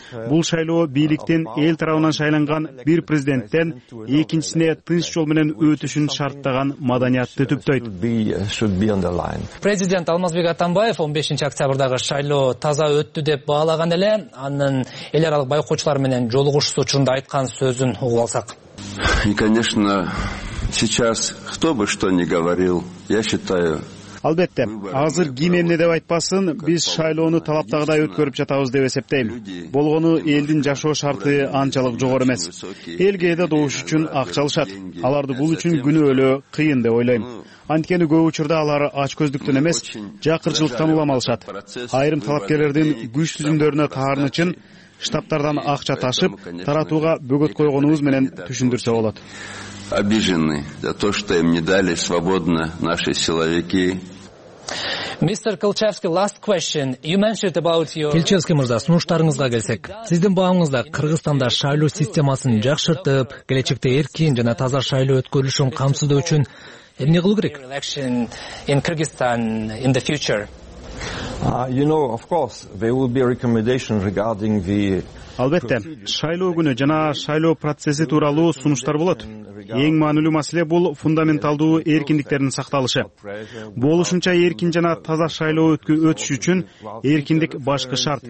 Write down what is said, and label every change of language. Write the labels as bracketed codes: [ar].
[ky] Бул шайлоо бийликтин эл тарабынан шайланган бир президенттен экинчисине тынч жол менен өтүшүн шарттаган маданиятты түптөйт. Президент Алмазбек Атамбаев 15-нчи октябрдагы шайлоо таза өттү деп баалаган эле анын эл аралык байкоочулар менен жолугушуусу учурунда айткан сөзүн угуп алсак. [ru] И, конечно, сейчас кто бы что ни говорил, я считаю... [ky] Албетте, азыр ким эмне деп айтпасын, биз шайлоону талаптагыдай өткөрүп жатабыз деп эсептейм. Болгону элдин жашоо шарты анчалык жогору эмес. Элге да добуш үчүн акчалышат. Аларды бул үчүн күнөөлөө кыйын деп ойлойм. Анткени көп учурда алар ач көздүктөн эмес, жакырчылыктан улам алышат. Айрым талапкерлердин күч түзүмдөрүнө таарын үчүн, штабтардан акча ташып, таратууга бөгөт койгонубуз менен түшүндүрсө болот. [ru] Обижены за то, что им не дали свободно наши силовики. [en] Mr. Kilchevsky, last question. You mentioned about your... [ky] Kilchevsky мырза, сунуштарыңызга келсек. Сиздин бааңызда Кыргызстанда шайлоо системасын жакшыртып, келечекте эркин жана таза шайлоо өткөрүлүшүн камсыздоо үчүн эмне кылуу керек? [en] Election in Kyrgyzstan in the future. There will be a recommendation regarding the... [ky] Албетте, шайлоо күнү жана шайлоо процесси тууралуу сунуштар болот. Эң маанилүү маселе бул фундаменталдуу эркиндиктердин сакталышы. Болушунча эркин жана таза шайлоо өтүш үчүн эркиндик башкы шарт.